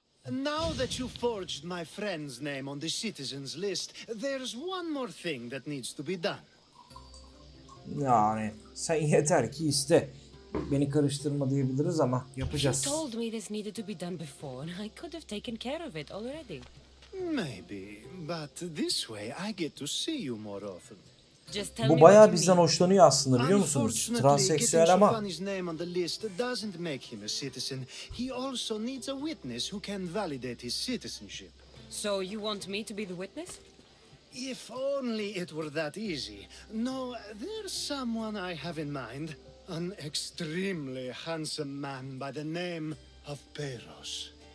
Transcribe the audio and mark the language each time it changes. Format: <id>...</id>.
<en>Now that you forged my friend's name on the citizens list, there's one more thing that needs to be done.</en> <tr>Yani sen yeter ki iste. Beni karıştırma diyebiliriz ama yapacağız.</tr> <en>He told me this needed to be done before and I could have taken care of it already. Maybe, but this way I get to see you more often. Just tell me.</en> <tr>Bu bayağı bizden hoşlanıyor aslında biliyor musunuz? Transseksüel ama.</tr> <en>His name on the list doesn't make him a citizen. He also needs a witness who can validate his citizenship. So you want me to be the witness? If only it were that easy. No, there's someone I have in mind. An extremely handsome man by the name of Peros.</en>